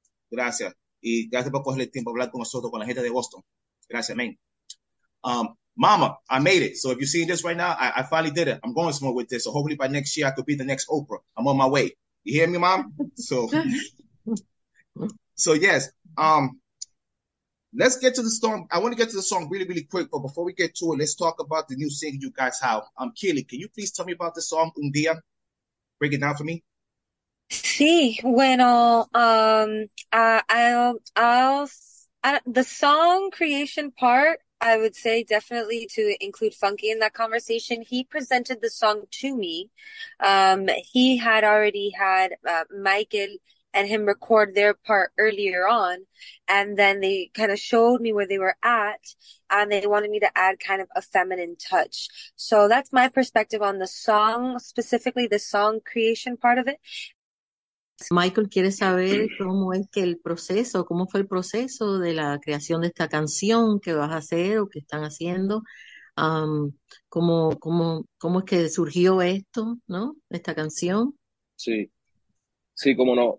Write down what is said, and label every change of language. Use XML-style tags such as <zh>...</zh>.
<es>Gracias. Y gracias por coger el tiempo a hablar con nosotros, con la gente de Boston.</es> <en>Gracias, man. Mama, I made it. So if you're seeing this right now, I finally did it. I'm going somewhere with this. So hopefully by next year, I could be the next Oprah. I'm on my way. You hear me, Mom? So, yes. Let's get to the song. I want to get to the song really, really quick. But before we get to it, let's talk about the new single you guys have. Kelly, can you please tell me about the song, Un Día? Break it down for me.</en> <es>Sí, bueno.</es> <en>The song creation part, I would say definitely to include Funky in that conversation. He presented the song to me. He had already had Michael and him record their part earlier on. And then they kind of showed me where they were at. And they wanted me to add kind of a feminine touch. So that's my perspective on the song, specifically the song creation part of it.</en> <es>Michael quiere saber cómo es que el proceso, cómo fue el proceso de la creación de esta canción que vas a hacer o que están haciendo. ¿Cómo es que surgió esto, no? Esta canción. Sí. Sí, cómo no.</es>